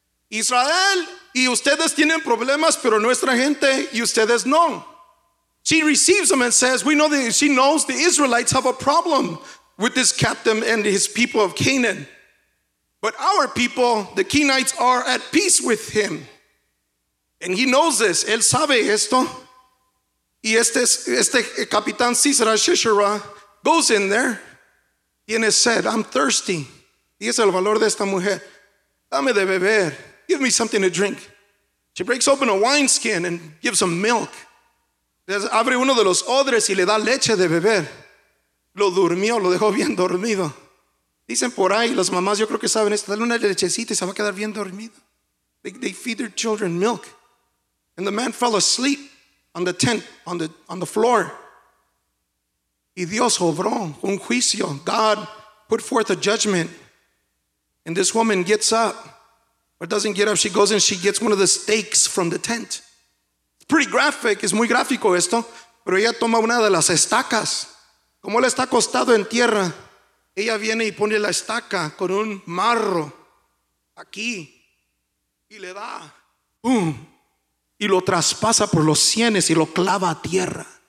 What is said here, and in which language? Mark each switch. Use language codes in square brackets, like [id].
[es] Israel, y ustedes tienen problemas, pero nuestra gente, y ustedes no. [en] She receives him and says, we know that she knows the Israelites have a problem with this captain and his people of Canaan. But our people, the Kenites, are at peace with him. And he knows this. [es] Él sabe esto. Y este capitán Cisara, Shishara, [en] goes in there. And he said, I'm thirsty. [es] Y es el valor de esta mujer. Dame de beber. [en] Give me something to drink. She breaks open a wineskin and gives him milk. [es] Abre uno de los odres y le da leche de beber. Lo durmió, lo dejó bien dormido. Dicen por ahí, las mamás, yo creo que saben esto. Dale una lechecita y se va a quedar bien dormido. [en] They feed their children milk. And the man fell asleep on the tent, on the floor. [es] Y Dios obró un juicio. [en] God put forth a judgment. And this woman gets up. Or doesn't get up, she goes and she gets one of the stakes from the tent. It's pretty graphic, [es] es muy gráfico esto. Pero ella toma una de las estacas. Como él está acostado en tierra, ella viene y pone la estaca con un marro aquí y le da, ¡pum! Y lo traspasa por los sienes y lo clava a tierra.